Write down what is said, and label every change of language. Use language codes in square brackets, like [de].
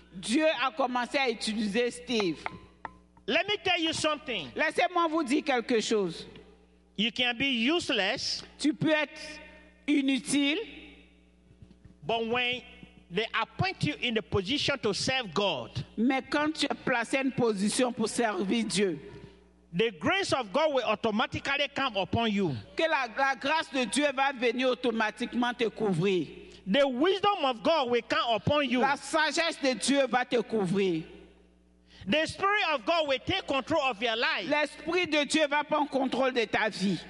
[fr] Dieu a commencé à utiliser Steve. [en] Let me tell you something. [fr] Laissez-moi vous dire quelque chose. [en] You can be useless. [fr] Tu peux être inutile. [en] But when they appoint you in the position to serve God. [fr] Mais quand tu es placé une position pour servir Dieu, [en] the grace of God will automatically come upon you. [fr] Que la grâce de Dieu va venir automatiquement te couvrir. [en] The wisdom of God will come upon you. [fr] La sagesse de Dieu va te couvrir. [en] The Spirit of God will take control of your life. [fr] L'Esprit de Dieu va prendre contrôle de ta vie.